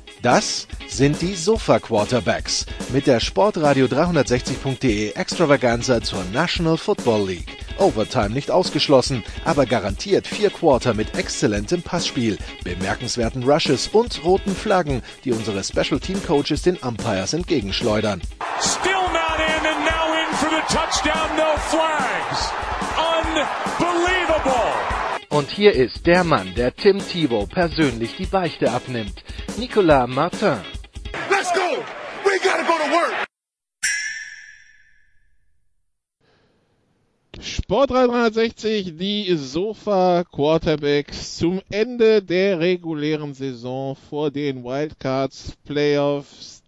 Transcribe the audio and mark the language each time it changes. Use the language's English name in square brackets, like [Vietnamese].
[German] Das sind die Sofa-Quarterbacks mit der Sportradio360.de Extravaganza zur National Football League. Overtime nicht ausgeschlossen, aber garantiert vier Quarter mit exzellentem Passspiel, bemerkenswerten Rushes und roten Flaggen, die unsere Special Team Coaches den Umpires entgegenschleudern. [English] Still not in and now in for the touchdown, no flags. Unbelievable. [German] Und hier ist der Mann, der Tim Tebow persönlich die Beichte abnimmt. Nicolas Martin. [English] Let's go! We gotta go to work! [German] Sportrad 360, die Sofa Quarterbacks zum Ende der regulären Saison vor den Wildcards Playoffs.